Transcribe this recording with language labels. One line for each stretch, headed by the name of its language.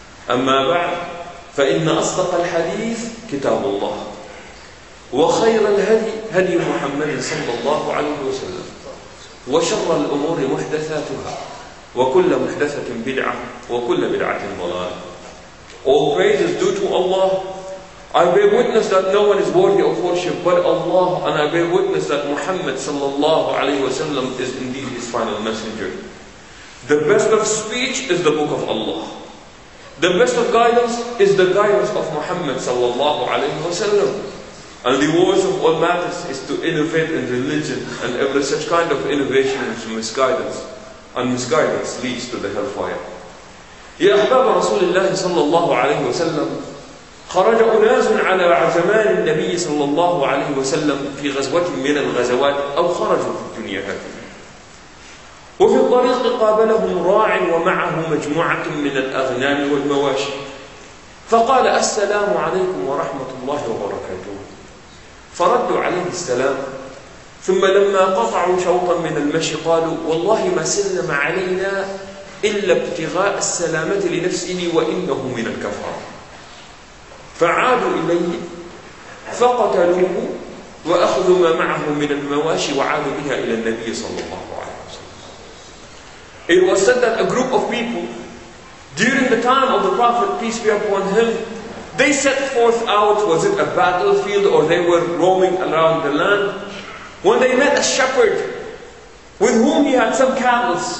Arabic: أما بعد، فإن أصدق الحديث كتاب الله، وخير الهدي هدي محمد صلى الله عليه وسلم، وشر الأمور محدثاتها، وكل محدثة بدعة، وكل بدعة ضلالة.
English: All praise is due to Allah. I bear witness that no one is worthy of worship but Allah, and I bear witness that Muhammad sallallahu alayhi wasallam is indeed his final messenger. The best of speech is the book of Allah. The best of guidance is the guidance of Muhammad sallallahu alayhi wasallam. And the worst of all matters is to innovate in religion, and every such kind of innovation is misguidance, and misguidance leads to the hellfire.
Arabic: يا أحباب رسول الله صلى الله عليه وسلم، خرج أناس على عزمان النبي صلى الله عليه وسلم في غزوة من الغزوات، أو خرجوا في الدنيا هكذا. وفي الطريق قابلهم راع ومعه مجموعة من الأغنام والمواشي، فقال السلام عليكم ورحمة الله وبركاته، فردوا عليه السلام. ثم لما قطعوا شوطا من المشي قالوا والله ما سلم علينا إلا ابتغاء السلامة لنفسه وإنه من الكفار. فعادوا إليه فقتلوه وأخذوا ما معه من المواشي وعادوا بها إلى النبي صلى الله عليه وسلم.
English: It was said that a group of people during the time of the Prophet peace be upon him, they set forth out, was it a battlefield or they were roaming around the land, when they met a shepherd with whom he had some cattle.